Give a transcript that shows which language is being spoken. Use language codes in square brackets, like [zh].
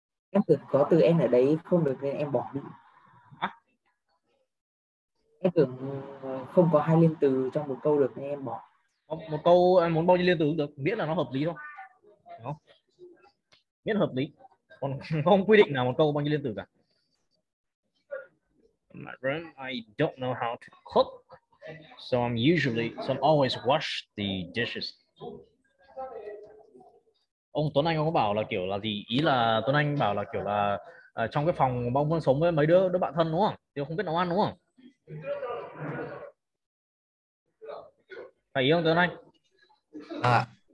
[vi] Em tưởng có từ and ở đấy không được nên em bỏ đi. Em tưởng không có hai liên từ trong một câu được nên em bỏ. Một câu em muốn bao nhiêu liên từ cũng được, miễn là nó hợp lý thôi. Đúng không? Miễn hợp lý. Còn không quy định nào một câu bao nhiêu liên từ cả. [en] My room, I don't know how to cook. So I'm usually, so I'm always wash the dishes. [vi] Ông Tuấn Anh có bảo là kiểu là gì? Ý là Tuấn Anh bảo là kiểu là trong cái phòng bông vẫn sống với mấy đứa bạn thân đúng không? Thì không biết nấu ăn đúng không? Phải ý không Tuấn Anh? À.